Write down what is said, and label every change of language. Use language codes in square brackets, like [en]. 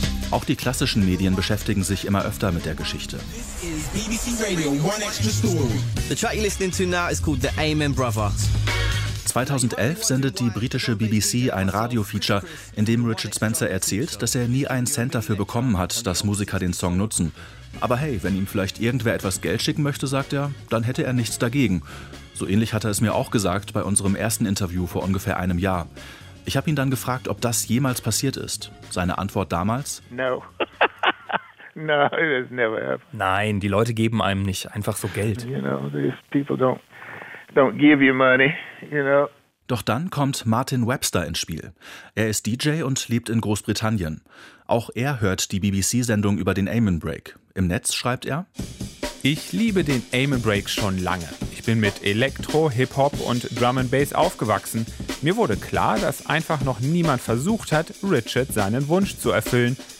[de] Auch die klassischen Medien beschäftigen sich immer öfter mit der Geschichte. [en] The track you're listening to now is called The Amen Brother. [de] 2011 sendet die britische BBC ein Radio-Feature, in dem Richard Spencer erzählt, dass er nie einen Cent dafür bekommen hat, dass Musiker den Song nutzen. Aber hey, wenn ihm vielleicht irgendwer etwas Geld schicken möchte, sagt er, dann hätte er nichts dagegen. So ähnlich hat er es mir auch gesagt bei unserem ersten Interview vor ungefähr einem Jahr. Ich habe ihn dann gefragt, ob das jemals passiert ist. Seine Antwort damals? [en] No. No, it has never happened. [de] Nein, die Leute geben einem nicht einfach so Geld. [en] You know, these people don't give you money, you know. [de] Doch dann kommt Martin Webster ins Spiel. Er ist DJ und lebt in Großbritannien. Auch er hört die BBC-Sendung über den Amen Break. Im Netz schreibt er: Ich liebe den Amen Break schon lange. Ich bin mit Elektro, Hip-Hop und Drum and Bass aufgewachsen. Mir wurde klar, dass einfach noch niemand versucht hat, Richard seinen Wunsch zu erfüllen.